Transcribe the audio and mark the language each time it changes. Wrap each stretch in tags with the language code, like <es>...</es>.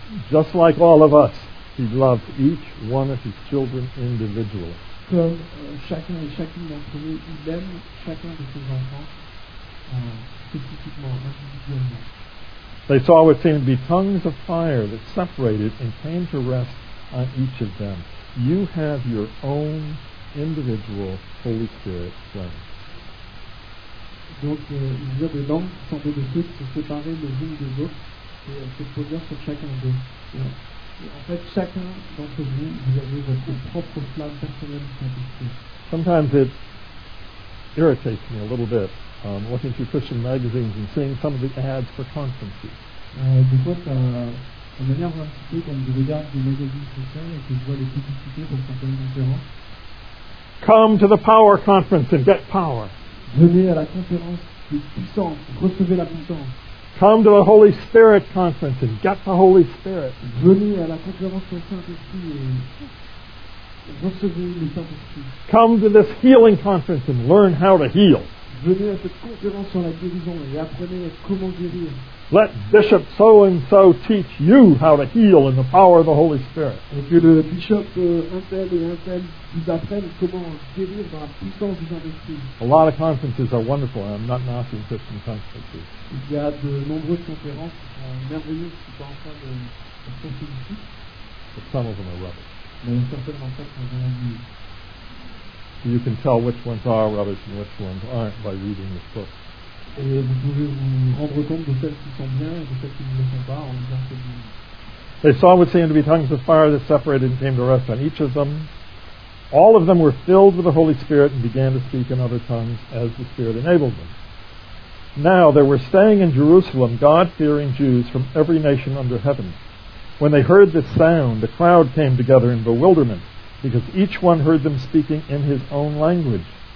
<en>Just like all of us, he loved each one of his children individually.</en> <fr>Comme chacun et chacune d'entre nous, il aime chacun de ses enfants spécifiquement, individuellement.</fr> <en>They saw what seemed to be tongues of fire that separated and came to rest on each of them. You have your own individual Holy Spirit friend.</en> <fr>Donc, il y a des langues qui semblaient de feu qui se séparaient les unes des autres et se posaient sur chacun d'eux. Et en fait, chacun d'entre vous, vous avez votre propre flamme personnelle qui s'est dissipée.</fr> <en>Sometimes it irritates me a little bit, looking through Christian magazines and seeing some of the ads for conferences.</en> <fr>Des fois, ça m'énerve un petit peu quand je regarde des magazines chrétiens et que je vois les publicités pour certaines conférences.</fr> <en>Come to the power conference and get power.</en> <fr>Venez à la conférence de puissance, recevez la puissance.</fr> <en>Come to the Holy Spirit conference and get the Holy Spirit.</en> <fr>Venez à la conférence du Saint-Esprit et recevez le Saint-Esprit.</fr> <en>Come to this healing conference and learn how to heal.</en> <fr>Venez à cette conférence sur la guérison et apprenez comment guérir.</fr> <en>Let Bishop so and so teach you how to heal in the power of the Holy Spirit.</en> <fr>Et que le bishop un tel et un tel vous apprenne comment guérir dans la puissance du Saint-Esprit.</fr> <en>A lot of conferences are wonderful. I'm not knocking Christian conferences.</en> <fr>Il y a de nombreuses conférences merveilleuses qui sont en train de se produire.</fr> <en>But some of them are rubbish.</en> <fr>Mais certaines en fait sont vraiment.</fr> <en>You can tell which ones are rubbish and which ones aren't by reading this book.</en> <fr>Et vous pouvez vous rendre compte de celles qui sont bien et de celles qui ne le sont pas en disant que vous.</fr> <en>They saw what seemed to be tongues of fire that separated and came to rest on each of them. All of them were filled with the Holy Spirit and began to speak in other tongues as the Spirit enabled them. Now there were staying in Jerusalem God-fearing Jews from every nation under heaven. When they heard this sound, the crowd came together in bewilderment, because each one heard them speaking in his own language.</en>